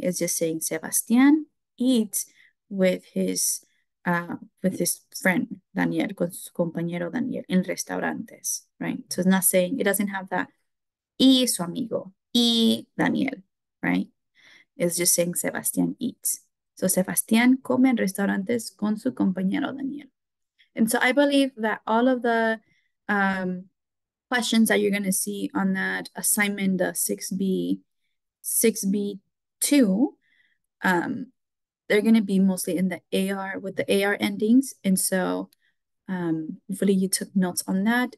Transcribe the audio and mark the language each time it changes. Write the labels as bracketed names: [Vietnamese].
[English] It's just saying Sebastián eats with his friend Daniel, [Spanish] con su compañero Daniel, en restaurantes, [English] right? So it's not saying, it doesn't have that [Spanish] y su amigo, y Daniel, [English] right? It's just saying Sebastián eats. [Spanish] So Sebastián come en restaurantes con su compañero Daniel. [English] And so I believe that all of the questions that you're going to see on that assignment, the 6B2, they're going to be mostly in the AR with the AR endings. And so hopefully you took notes on that.